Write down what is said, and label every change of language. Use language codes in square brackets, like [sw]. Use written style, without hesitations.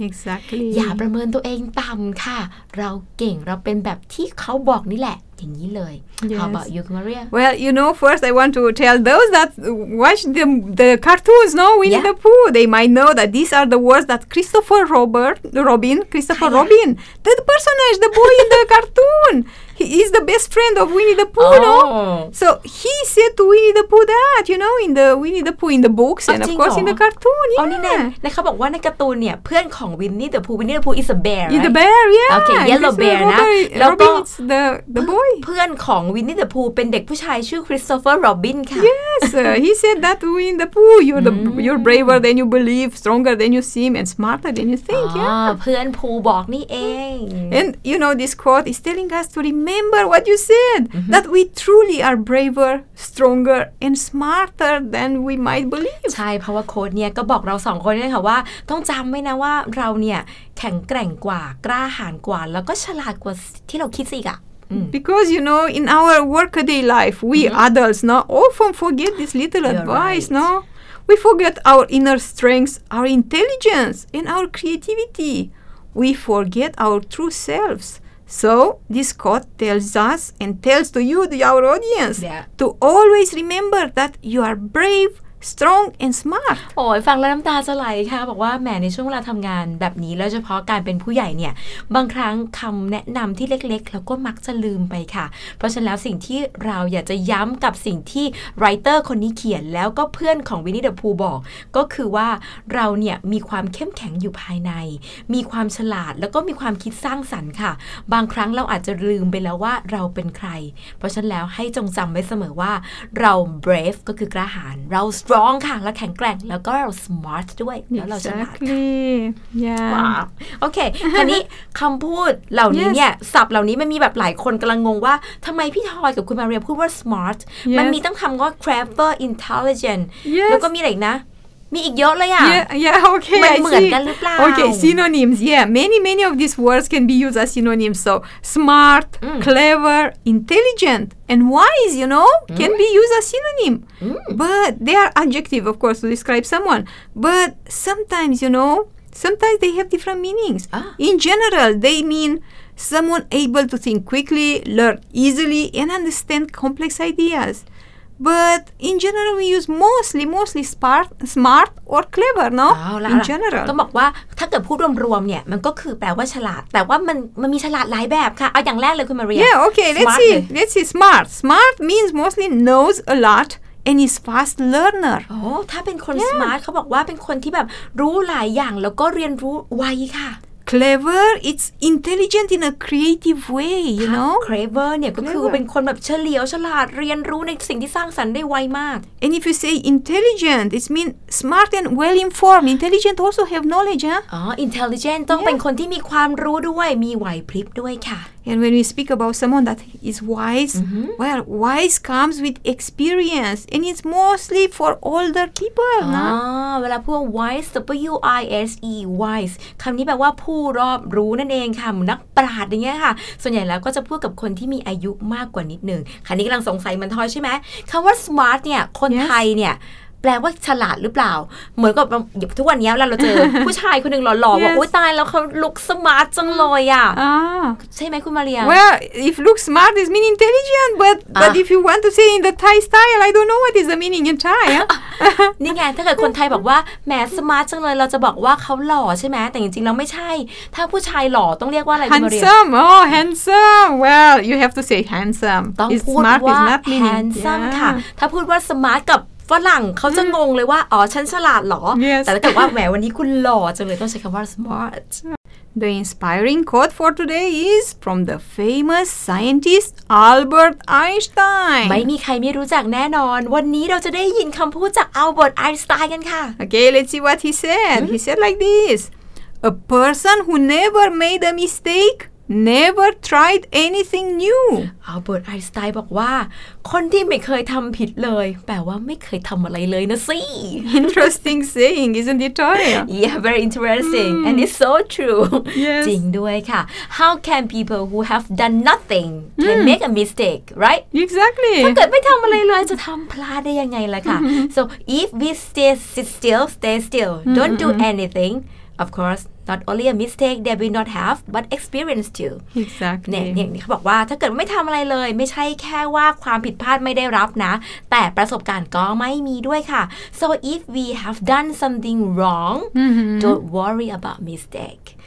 [en] Exactly. [th] อย่าประเมินตัวเองต่ำค่ะเราเก่งเราเป็นแบบที่เขาบอกนี่แหละอย่างนี้เลย [en] yes. How about you, Maria? Well, you know, first I want to tell those that watch the cartoons, no? Winnie yeah. the Pooh. They might know that these are the words that Christopher Robin, the personage, the boy in the cartoon, he is the best friend of Winnie the Pooh, oh. no? So he said to Winnie the Pooh that, you know, in the Winnie the Pooh in the books oh, and of course oh. in the cartoon. Yeah. Oh, no, no. They said that in the cartoon, a friend of Winnie the Pooh. Winnie the Pooh is a bear, right? He's a bear, yeah. Okay, yellow bear, right? Robin is the boy. [th] เพื่อนของวินนี่เดอะพูเป็นเด็กผู้ชายชื่อคริสโตเฟอร์โรบินค่ะ [en] Yes he said that to Winnie the Pooh you're braver than you believe stronger than you seem and smarter than you think yeah [th] เพื่อนพูบอกนี่เอง [en] And you know this quote is telling us to remember what you said that we truly are braver stronger and smarter than we might believe [th] ใช่เพราะว่าโค้ดเนี่ยก็บอกเราสองคนนี่ค่ะว่าต้องจำไว้นะว่าเราเนี่ยแข็งแกร่งกว่ากล้าหาญกว่าแล้วก็ฉลาดกว่าที่เราคิดสิค่ะ [en] Because you know, in our workaday life, we adults no often forget this little advice. Right. No, we forget our inner strengths, our intelligence, and our creativity. We forget our true selves. So this quote tells us and tells to you, our audience, to always remember that you are brave. Strong and smart [th] โอ้ยฟังแล้วน้ำตาจะไหลค่ะบอกว่าแหมในช่วงเวลาทำงานแบบนี้แล้วเฉพาะการเป็นผู้ใหญ่เนี่ยบางครั้งคำแนะนำที่เล็กๆแล้วก็มักจะลืมไปค่ะเพราะฉะนั้นแล้วสิ่งที่เราอยากจะย้ำกับสิ่งที่ไรเตอร์คนนี้เขียนแล้วก็เพื่อนของวินนี่เดอะพูบอกก็คือว่าเราเนี่ยมีความเข้มแข็งอยู่ภายใน มีความฉลาดแล้วก็มีความคิดสร้างสรรค์ค่ะบางครั้งเราอาจจะลืมไปแล้วว่าเราเป็นใครเพราะฉะนั้นแล้วให้จงจำไว้เสมอว่าเรา brave ก็คือกล้าหาญเราร้องค่ะแล้วแข็งแกร่งแล้วก็เราสมาร์ทด้วย [en] exactly. [th] แล้วเราฉลาดค่ ว้ าวโอเคคราวนี้คำพูดเหล่านี้เนี่ยศัพท์เหล่านี้มันมีแบบหลายคนกำลังงงว่าทำไมพี่ทอยกับคุณมาเรียพูดว่าสมาร์ทมันมีตั้งคำว่า clever intelligent แล้วก็มีอะไรนะมีอีกเยอะเลยอ่ะ [en] yeah okay [th] เหมือนกันหรือเปล่า [en] okay synonyms yeah many of these words can be used as synonyms so smart clever intelligent and wise you know can be used as synonym but they are adjective of course to describe someone but sometimes you know sometimes they have different meanings in general they mean someone able to think quickly learn easily and understand complex ideas But in general we use mostly smart or clever no in general [th] ต้องบอกว่าถ้าเกิดพูดรวมๆเนี่ยมันก็คือแปลว่าฉลาดแต่ว่ามันมีฉลาดหลายแบบค่ะเอาอย่างแรกเลยคุณมาเรียน [en] Yeah okay let's see smart means mostly knows a lotAnd is fast learner. [th] Oh, ถ้าเป็นคน smart เขาบอกว่าเป็นคนที่แบบรู้หลายอย่างแล้วก็เรียนรู้ไวค่ะ [en] Clever, it's intelligent in a creative way, you know? [th] Clever เนี่ยก็คือเป็นคนแบบเฉลียวฉลาดเรียนรู้ในสิ่งที่สร้างสรรค์ได้ไวมาก [en] And if you say intelligent, it means smart and well-informed. Intelligent also have knowledge, huh? [th] Oh, intelligent ต้องเป็นคนที่มีความรู้ด้วยมีไหวพริบด้วยค่ะ [en] And when we speak about someone that is wise, well, wise comes with experience, and it's mostly for older people, no? [th] เวลาพูด wise, W-I-S-E, wise. คำนี้แปลว่าผู้รอบรู้นั่นเองค่ะนักปราชญ์อย่างเงี้ยค่ะส่วนใหญ่แล้วก็จะพูดกับคนที่มีอายุมากกว่านิดนึงคันนี้กำลังสงสัยมันทอยใช่ไหมคำว่า smart เนี่ยคน [en] yes. [th] ไทยเนี่ยแปลว่าฉลาดหรือเปล่าเหมือนกับทุกวันนี้เวลาเราเจอผู้ชายคนหนึ่งหล่อๆว่าโอ๊ยตายแล้วเขาลุคสมาร์ทจังเลยอ่ะใช่ไหมคุณมาเรีย [en] Well if look smart is mean intelligent but if you want to say in the Thai style I don't know what is the meaning in Thai [th] นี่ไงถ้าเกิดคนไทยบอกว่าแหมสมาร์ทจังเลยเราจะบอกว่าเขาหล่อใช่ไหมแต่จริงๆเราไม่ใช่ถ้าผู้ชายหล่อต้องเรียกว่าอะไรคุณมาเรีย [en] Handsome Well you have to say handsome [th] ต้องพูดว่า handsome ค่ะถ้าพูดว่าสมาร์ทกับฝรั่งเขาจะงงเลยว่าอ๋อฉันฉลาดหรอ [en] yes. [th] แต่ถ้าเกิดว่าแหมวันนี้คุณหล่อจังเลยต้องใช้คำว่า smart [en] The inspiring quote for today is from the famous scientist Albert Einstein [th] ไม่มีใครไม่รู้จักแน่นอนวันนี้เราจะได้ยินคำพูดจาก Albert Einstein กันค่ะ [en] Okay let's see what he said He said like this A person who never made a mistakeNever tried anything new. [th] Albert Einstein บอกว่าคนที่ไม่เคยทำผิดเลยแปลว่าไม่เคยทำอะไรเลยนะสิ [en] Interesting saying, isn't it, Toya? Yeah, very interesting. And it's so true. Yes. [th] จริงด้วยค่ะ [en] How can people who have done nothing can make a mistake, right? Exactly. [th] ถ้าเกิดไม่ทำอะไรเลยจะทำพลาดได้ยังไงล่ะค่ะ [en] So if we stay still, don't do anything, of course,Not only a mistake that we not have, but experience too. Exactly. [th] เนี่ยเขาบอกว่าถ้าเกิดไม่ทำอะไรเลยไม่ใช่แค่ว่าความผิดพลาดไม่ได้รับนะแต่ประสบการณ์ก็ไม่มีด้วยค่ะ [en] So if we have done something wrong, don't worry about mistake.